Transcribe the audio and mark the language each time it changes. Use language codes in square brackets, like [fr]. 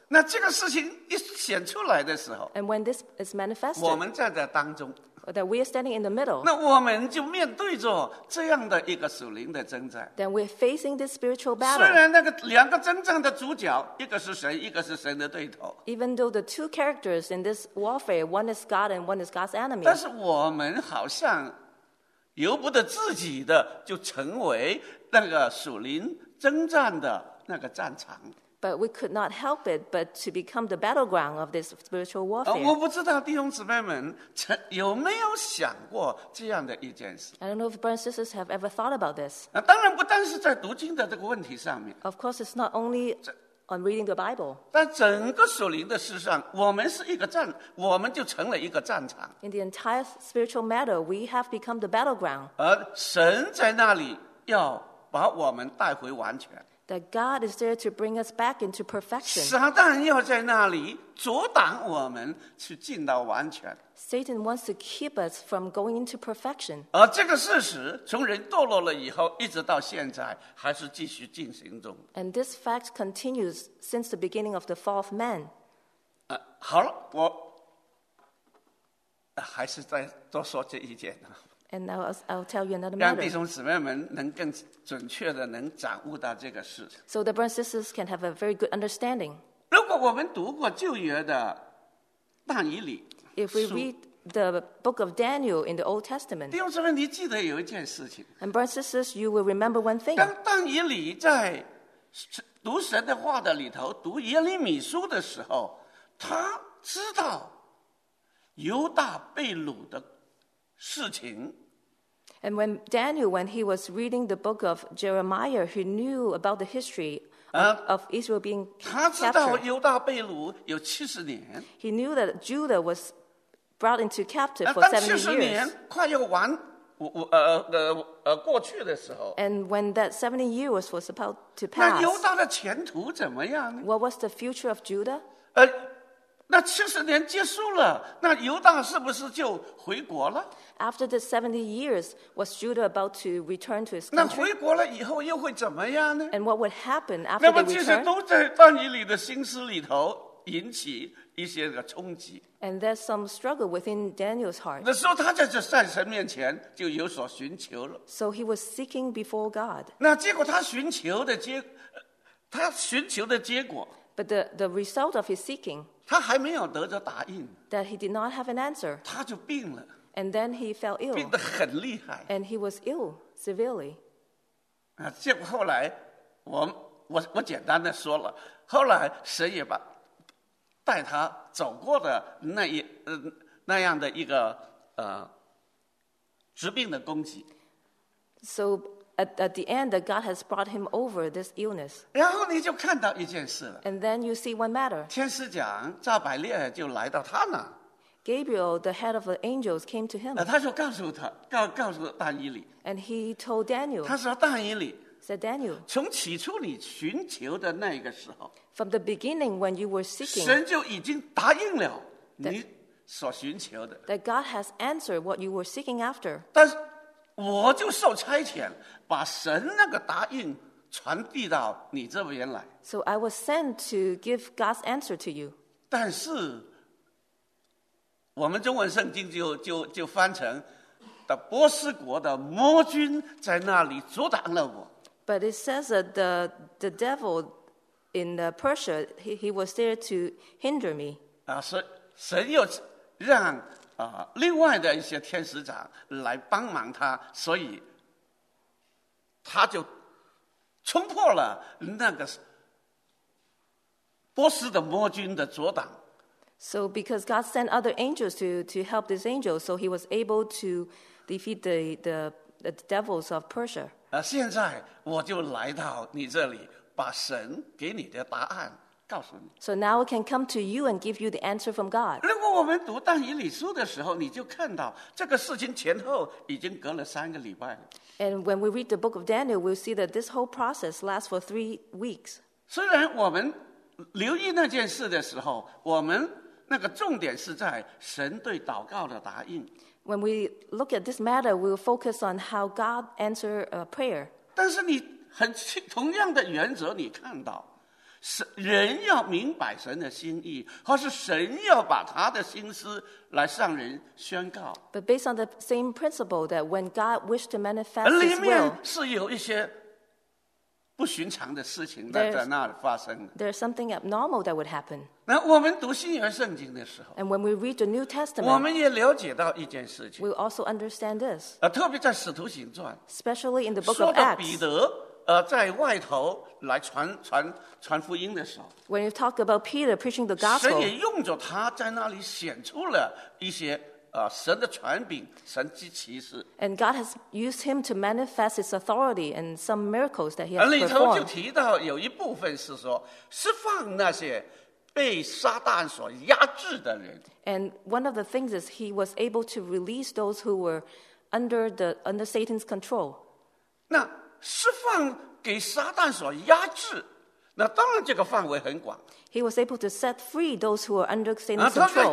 [zh] 那这个事情一显出来的时候。 [en] And when this is manifested. [zh] 我们站在当中。 [en] That we are standing in the middle. [zh] 那我们就面对着这样的一个属灵的征战。 [en] Then we're facing this spiritual battle. [zh] 虽然那个两个征战的主角，一个是神，一个是神的对头。 [en] Even though the two characters in this warfare, one is God and one is God's enemy. [zh] 但是我们好像由不得自己的就成为那个属灵征战的那个战场。 [en] But we could not help it but to become the battleground of this spiritual warfare. [zh] 我不知道弟兄姊妹们有没有想过这样的一件事。 [en] I don't know if brothers and sisters have ever thought about this. [zh] 当然不但是在读经的这个问题上面。 [en] Of course, it's not only on reading the Bible. [zh] 在整个属灵的事上，我们是一个战，我们就成了一个战场。 [en] In the entire spiritual matter, we have become the battleground. [zh] 而神在那里要把我们带回完全。 [en] That God is there to bring us back into perfection. [zh] 撒旦要在那里阻挡我们去进到完全。 [en] Satan wants to keep us from going into perfection. [zh] 而这个事实从人堕落了以后一直到现在还是继续进行中。 [en] And this fact continues since the beginning of the fall of man. [zh] 好了，我还是再多说这一点呢。 [en] And I'll tell you another matter. [zh] 让弟兄姊妹们能更准确的能掌握到这个事。 [en] So the brothers and sisters can have a very good understanding. [zh] 如果我们读过旧约的但以理书。 [en] If we read the book of Daniel in the Old Testament. [zh] 弟兄姊妹你记得有一件事情。 [en] And brothers and sisters, you will remember one thing. [zh] 当但以理在读神的话的里头读耶利米书的时候他知道犹大被掳的事情。 [en] And when Daniel, when he was reading the book of Jeremiah, he knew about the history of Israel being captured. [zh] 他知道犹大被掳有七十年。 [en] He knew that Judah was brought into captive for 70 years. [zh] 当七十年快要完过去的时候。 [en] And when that 70 years was about to pass. [zh] 那犹大的前途怎么样呢？ [en] What was the future of Judah? [zh] 那七十年结束了，那犹大是不是就回国了？ [en] After the 70 years, was Judah about to return to his country? [zh] 那回国了以后又会怎么样呢？ [en] And what would happen after the return? [zh] 那么其实都在但以理的心思里头引起一些个冲击。 [en] And there's some struggle within Daniel's heart. [zh] 那时候他在这在神面前就有所寻求了。 [en] So he was seeking before God. [zh] 那结果他寻求的结果。 [en] But the result of his seeking. [zh] 他还没有得着答应。 [en] That he did not have an answer. [zh] 他就病了。 [en] And then he fell ill. [zh] 病得很厉害。 [en] And he was ill severely. [zh] 结果后来我简单的说了，后来神也把带他走过的那样的一个治病的攻击。 [en] So at the end, that God has brought him over this illness. [zh] 然后你就看到一件事了。 [en] And then you see one matter. [zh] 天使长撒百利亚就来到他那。 [en] Gabriel, the head of the angels, came to him. [zh] 他就告诉但以理。 [en] And he told Daniel. [zh] 他说但以理。 [en] Said Daniel. [zh] 从起初你寻求的那个时候。 [en] From the beginning when you were seeking. [zh] 神就已经答应了你所寻求的。 [en] That God has answered what you were seeking after. [zh] 但是我就受差遣把神那个答应传递到你这边来。 [en] So I was sent to give God's answer to you. [zh] 但是我们中文圣经就翻成的波斯国的魔君在那里阻挡了我。 [en] But it says that the devil in the Persia, he was there to hinder me. [zh] 神又让另外的一些天使长来帮忙他，所以他就冲破了那个波斯的魔君的阻挡。 [en] So because God sent other angels to help this angel, so he was able to defeat the devils of Persia. [zh] 现在我就来到你这里，把神给你的答案。 [en] So now I can come to you and give you the answer from God. [zh] 如果我们读但以理书的时候，你就看到这个事情前后已经隔了三个礼拜。 [en] And when we read the book of Daniel, we'll see that this whole process lasts for 3 weeks. [zh] 虽然我们留意那件事的时候，我们那个重点是在神对祷告的答应。 [en] When we look at this matter, we'll focus on how God answered a prayer. [zh] 但是你很同样的原则，你看到。人要明白神的心意，或是神要把他的心思来向人宣告。 [en] But based on the same principle that when God wished to manifest His will, [zh] 里面是有一些不寻常的事情在那发生的。 [en] There's something abnormal that would happen. [zh] 那我们读新约圣经的时候 [en] ，And when we read the New Testament, [zh] 我们也了解到一件事情。 [en] We also understand this. [zh] 特别在使徒行传 [en] ，Especially in the Book of Acts, [zh] 说到彼得。在外头来传福音的时候 [en] ，When you talk about Peter preaching the gospel， [zh] 神也用着他在那里显出了一些神的权柄，神迹奇事。 [en] And God has used him to manifest his authority and some miracles that he has performed. [zh] 里头就提到有一部分是说释放那些被撒旦所压制的人。 [en] And one of the things is he was able to release those who were under Satan's control. [zh] 那释放给撒旦所压制，那当然这个范围很广。 [en] He was able to set free those who were under Satan's control.